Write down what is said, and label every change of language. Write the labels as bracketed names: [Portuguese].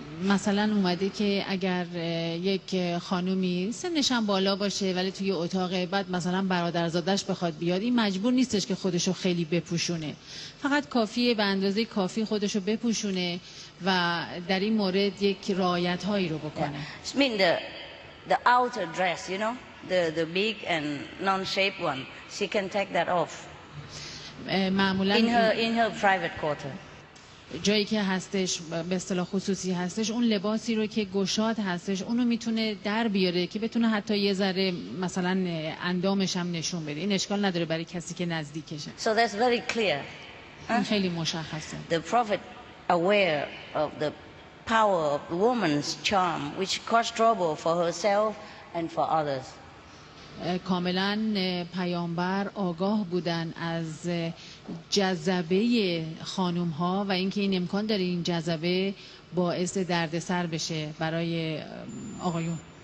[Persian] مثلا اومده که اگر یک خانومی سنش هم بالا باشه ولی توی اتاق بعد مثلا برادرزادش بخواد بیاد، این مجبور نیستش که خودشو خیلی بپوشونه، فقط کافیه به اندازه کافی خودشو بپوشونه و در این مورد یک رعایت هایی رو بکنه. [English] Yeah. I mean the outer dress, you know, the big and non-shaped one, she can take that off [Persian] معمولا [English] in her private quarter. [Persian] جایی که هستش به اصطلاح خصوصی هستش، اون لباسی رو که گشاد هستش اونو میتونه در بیاره که بتونه حتی یه ذره مثلا اندامش هم نشون بده، این اشکال نداره برای کسی که نزدیکشه. [English] So that's very clear. [Persian] این خیلی مشخصه. [English] The Prophet aware of the power of the woman's charm which caused trouble for herself and for others. [Persian] کاملا پیامبر آگاه بودن از جذبه خانوم ها و اینکه این امکان داره این جذبه باعث دردسر بشه برای آقایون.